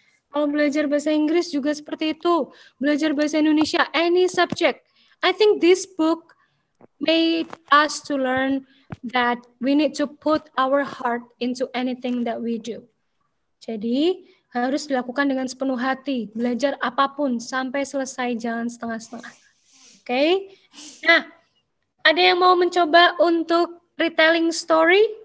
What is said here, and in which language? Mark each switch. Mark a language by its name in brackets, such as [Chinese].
[Indonesian] Kalau belajar bahasa Inggris juga seperti itu. Belajar bahasa Indonesia, [English] any subject. I think this book made us to learn that we need to put our heart into anything that we do. [Indonesian] Jadi, harus dilakukan dengan sepenuh hati. Belajar apapun, sampai selesai, jangan setengah-setengah. Oke, okay. Nah, ada yang mau mencoba untuk retelling story?